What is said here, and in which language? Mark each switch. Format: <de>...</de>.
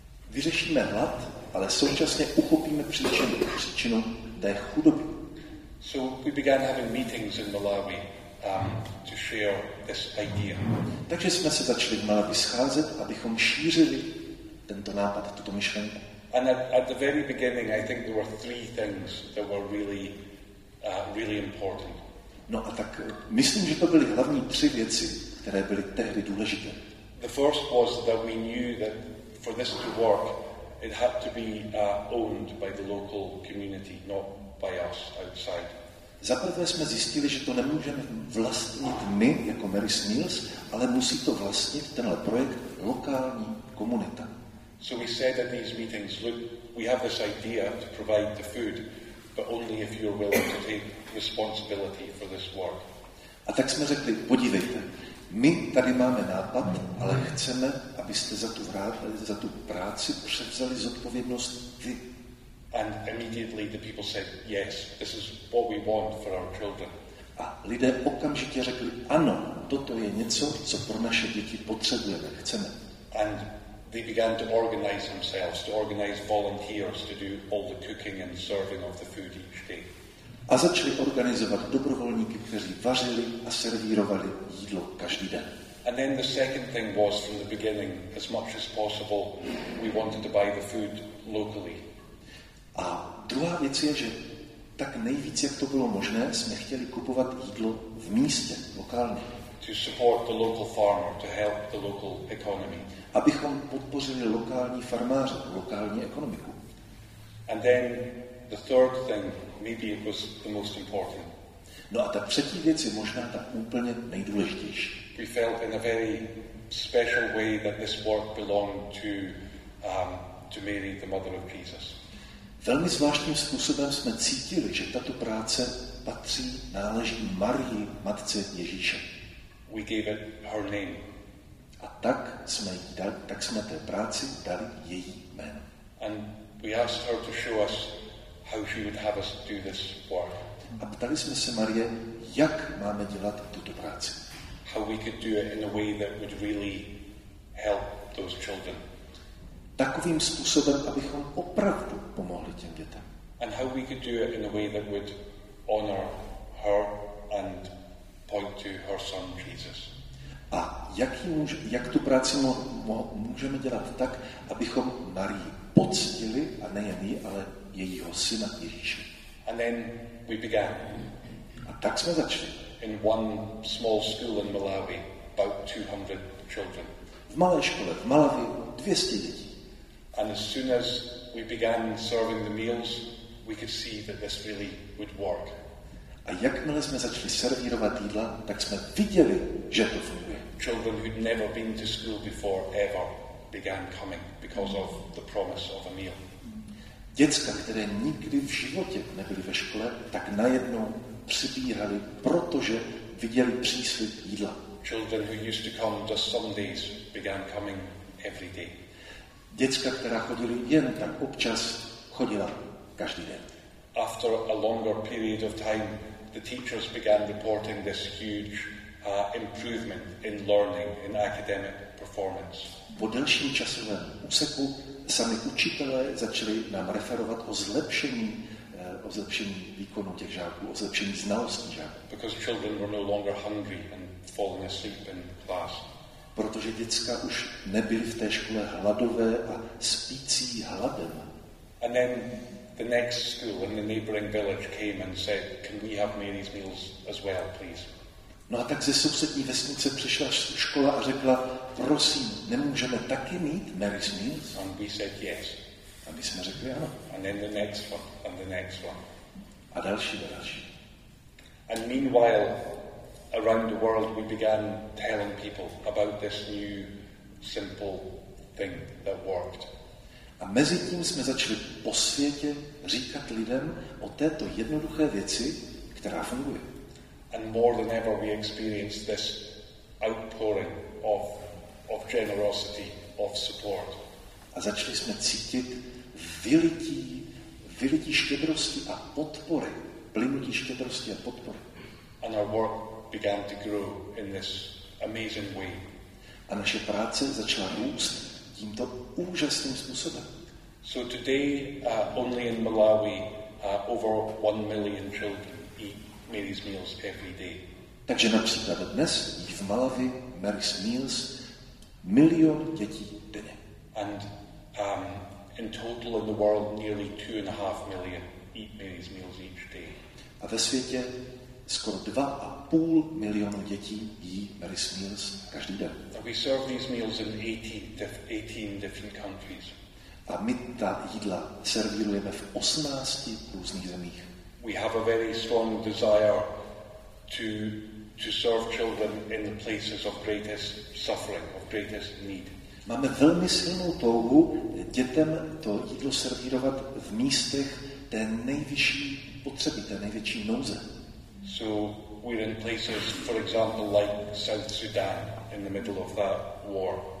<cs>Vyřešíme hlad, ale současně uchopíme příčinu té chudoby.</cs> <en>So we began having meetings in Malawi to share this idea.</en> <cs>Takže jsme se začali v Malawi scházet, abychom šířili tento nápad, tuto myšlenku.</cs> <en>And at the very beginning, I think there were three things that were really, really important.</en> <cs>No a tak myslím, že to byly hlavní tři věci, které byly tehdy důležité.</cs> <en>The first was that we knew that for this to work, it had to be owned by the local community, not by us outside.</en> <cs>Za prvé jsme zjistili, že to nemůžeme vlastnit my jako Mary's Meals, ale musí to vlastnit tenhle projekt lokální komunita.</cs> <en>So we said at these meetings, look, we have this idea to provide the food, but only if you're willing to take responsibility for this work.</en> <cs>A tak jsme řekli, podívejte, my tady máme nápad, ale chceme, abyste za tu práci převzali zodpovědnost vy.</cs> <en>And immediately the people said, yes, this is what we want for our children.</en> <cs>A lidé okamžitě řekli, ano, toto je něco, co pro naše děti potřebujeme, chceme.</cs> <en>And they began to organize themselves, to organize volunteers to do all the cooking and serving of the food each day.</en> <cs>A začali organizovat dobrovolníky, kteří vařili a servírovali jídlo každý den.</cs> <en>And then the second thing was, from the beginning, as much as possible, we wanted to buy the food locally.</en> <cs>A druhá věc je, že tak nejvíc, jak to bylo možné, jsme chtěli kupovat jídlo v místě, lokálně.</cs> <en>To support the local farmer, to help the local economy.</en> <cs>Abychom podpořili lokální farmáře, lokální ekonomiku.</cs> <en>And then the third thing, maybe it was the most important.</en> <cs>No a ta třetí věc je možná ta úplně nejdůležitější.</cs> <en>We felt in a very special way that this work belonged to Mary, the mother of Jesus.</en> <cs>Velmi zvláštním způsobem jsme cítili, že tato práce patří, náleží Marii, matce Ježíše.</cs> <en>We gave it her name.</en> <cs>A tak jsme jí dali, tak jsme té práci dali její jméno.</cs> <en>And we asked her to show us how she would have us do this work.</en> <cs>A ptali jsme se Marie, jak máme dělat tuto práci.</cs> <en>How we could do it in a way that would really help those children.</en> <cs>Takovým způsobem, abychom opravdu pomohli těm dětem.</cs> <en>And how we could do it in a way that would honor her and point to her son Jesus.</en> <cs>A jak tu práci můžeme dělat tak, abychom Marii poctili, a nejen jí, ale jejího syna Ježíše.</cs> <en>And then we began.</en> <cs>A tak jsme začali.</cs> <en>In one small school in Malawi, about 200 children.</en> <cs>V malé škole v Malawi 200 dětí.</cs> <en>And as soon as we began serving the meals, we could see that this really would work.</en> <cs>A jakmile jsme začali servírovat jídla, tak jsme viděli, že to funguje.</cs> <en>Children who'd never been to school before ever began coming because of the promise of a meal.</en> <cs>Děcka, které nikdy v životě nebyly ve škole, tak najednou přibírali, protože viděli příslib jídla.</cs> <en>Children who used to come just some days began coming every day.</en> <cs>Děcka, která chodili jen tak občas, chodila každý den.</cs> <en>After a longer period of time, the teachers began reporting this huge improvement in learning, in academic performance.</en> <cs>Po delším časovém úseku sami učitelé začali nám referovat o zlepšení výkonu těch žáků, o zlepšení znalostí žáků.</cs> <en>Because children were no longer hungry and falling asleep in class.</en> <cs>Protože děcka už nebyly v té škole hladové a spící hladem.</cs> <en>And then the next school in the neighboring village came and said, can we have Mary's meals as well, please?</en> <cs>No a tak ze sousední vesnice přišla škola a řekla, prosím, nemůžeme taky mít Mary's meals?</cs> <en>And we said yes.</en> <cs>A my jsme řekli ano.</cs> <en>And then the next one, and the next one.</en> <cs>A další.</cs> <en>And meanwhile, around the world, we began telling people about this new simple thing that worked.</en> <cs>A mezi tím jsme začali po světě říkat lidem o této jednoduché věci, která funguje.</cs> <en>And more than ever, we experienced this outpouring of generosity, of support.</en> <cs>A začali jsme cítit vylití štědrosti a podpory, plynutí štědrosti a podpory.</cs> <en>And our work began to grow in this amazing way.</en> <cs>A naše práce začala růst tímto úžasným způsobem.</cs> <en>So today, only in Malawi, over 1 million children eat Mary's meals every day.</en> <cs>Takže například dnes jí v Malawi Mary's meals 1 million dětí denně.</cs> <en>And in total in the world, nearly 2.5 million eat Mary's meals each day.</en> <cs>A ve světě skoro 2.5 milionu dětí jí Mary's meals každý den.</cs> <en>And we serve these meals in 18 different countries.</en> <cs>A my ta jídla servírujeme v 18 různých zemích.</cs> <en>We have a very strong desire to serve children in the places of greatest suffering, of greatest need.</en> <cs>Máme velmi silnou touhu dětem to jídlo servírovat v místech té nejvyšší potřeby, té největší nouze.</cs> <en>So we're in places, for example, like South Sudan in the middle of that war.</en>